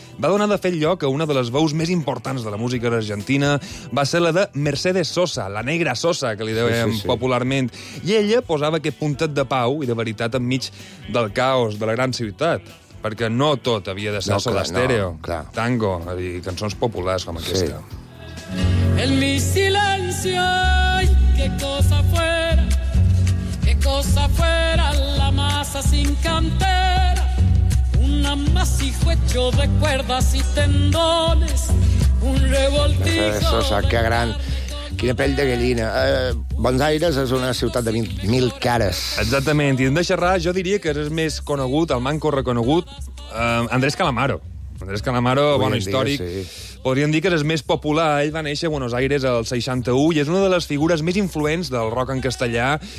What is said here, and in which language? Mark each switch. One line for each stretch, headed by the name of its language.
Catalan: Va donar de fet lloc a una de les veus més importants de la música argentina, va ser la de Mercedes Sosa, la negra Sosa, que li deien sí, sí, sí. popularment. I ella posava aquest puntet de pau i de veritat enmig del caos de la gran ciutat. Perquè no tot havia de ser no, Soda Stereo. No, tango, és a dir, cançons populars com aquesta. Sí.
Spanish: En mi silencio, ay, qué cosa fuera la masa sin cantera, un amasijo hecho de cuerdas y tendones, un revoltijo... Eso, o sea, qué gran...
Catalan: Quina pell de gallina. Buenos Aires és una ciutat de 1.000 cares. Exactament, i en deixar res, jo diria que és més conegut, el manco reconegut, Andrés Calamaro. Andrés Calamaro, bon històric. Sí. Podríem dir que és més popular. Ell va néixer a Buenos Aires el 61 i és una de les figures més influents del rock en castellà.